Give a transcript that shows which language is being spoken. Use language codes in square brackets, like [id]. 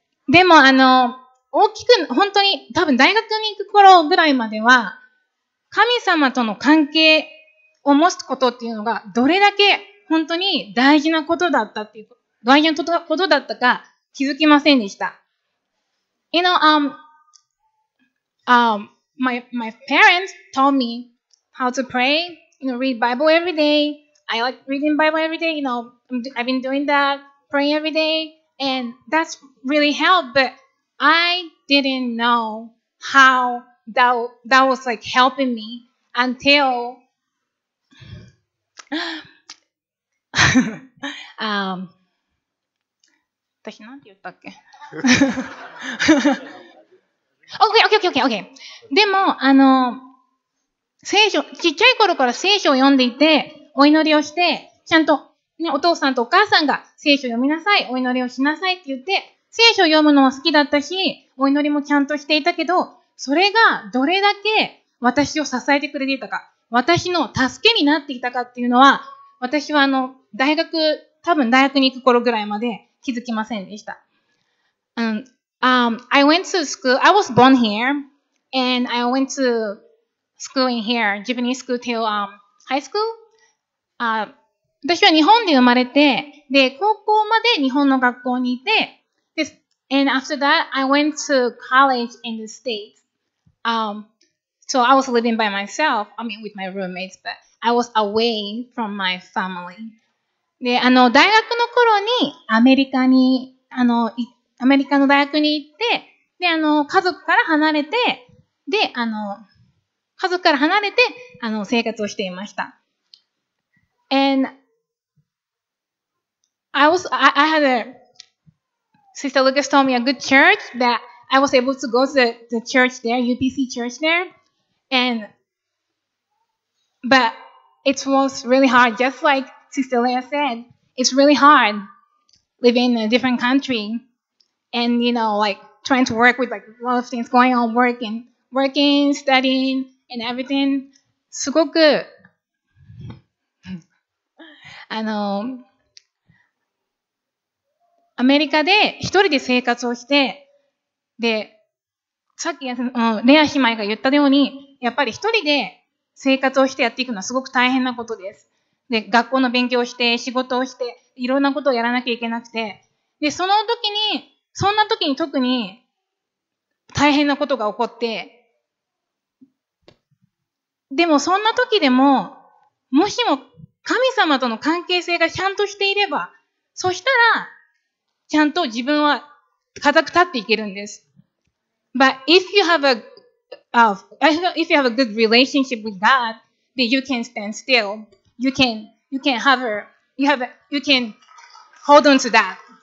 [ja] でも大きく、本当に多分大学に行く頃ぐらいまでは、神様との関係を持つことっていうのがどれだけ本当に大事なことだったっていう、大事なことだったか気づきませんでした。 [en] You know, my parents taught me how to pray, you know, read Bible every day. I like reading Bible every day, you know, I've been doing that, praying every day, and that's really helped, but I didn't know how that was like helping me until, [ja] 私なんて言ったっけ [en] Okay. [ja] でも、聖書、ちっちゃい頃から聖書を読んでいて、お祈りをして、ちゃんと、ね、お父さんとお母さんが聖書を読みなさい、お祈りをしなさいって言って、聖書を読むのは好きだったし、お祈りもちゃんとしていたけど、それがどれだけ私を支えてくれていたか、私の助けになっていたかっていうのは、私は大学、多分大学に行く頃ぐらいまで気づきませんでした。 [en] I went to school, I was born here, and I went to school in here, Japanese school till high school. [ja] 私は日本で生まれて、で、高校まで日本の学校にいて、 [en] this, and after that, I went to college in the States. So I was living by myself, I mean with my roommates, but I was away from my family. [ja] で、大学の頃にアメリカに、アメリカの大学に行って、で、家族から離れて、で、家族から離れて、生活をしていました。 [en] And I had a sister Lucas told me a good church that I was able to go to the church there, UPC church there. And but it was really hard, just like Sister Leah said, it's really hard living in a different country and you know, like trying to work with like a lot of things going on, working, studying and everything. [ja] すごく アメリカで一人で生活をして、で、さっき、レア姉妹が言ったように、やっぱり一人で生活をしてやっていくのはすごく大変なことです。で、学校の勉強をして、仕事をして、いろんなことをやらなきゃいけなくて、で、その時に、そんな時に特に大変なことが起こって、でもそんな時でも、もしも、神様との関係性がちゃんとしていれば、そしたら、ちゃんと自分は固く立っていけるんです。 [en] But if you have a good relationship with God, then you can stand still. You can hold on to that.